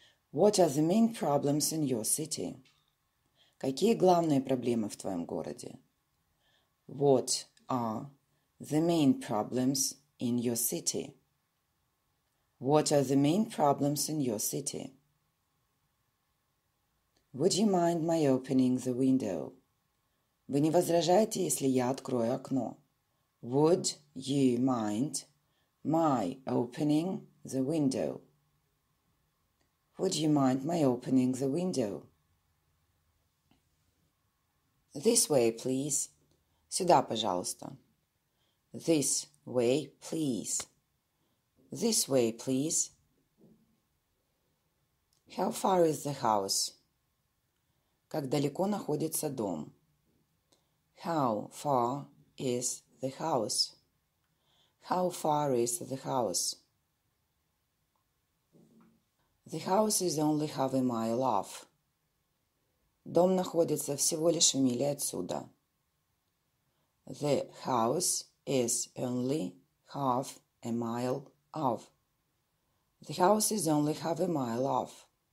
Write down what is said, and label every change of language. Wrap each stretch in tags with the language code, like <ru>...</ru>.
<en>What are the main problems in your city?</en> <ru>Какие главные проблемы в твоем городе?</ru> <en>What are the main problems in your city? What are the main problems in your city? Would you mind my opening the window?</en> <ru>Вы не возражаете, если я открою окно?</ru> <en>Would you mind my opening the window? Would you mind my opening the window? This way, please.</en> <ru>Сюда, пожалуйста.</ru> <en>This way, please. This way, please. How far is the house?</en> <ru>Как далеко находится дом?</ru> <en>How far is the house? How far is the house? The house is only half a mile off.</en> <ru>Дом находится всего лишь в миле отсюда.</ru> <en>The house is only half a mile off. The house is only half a mile off.</en>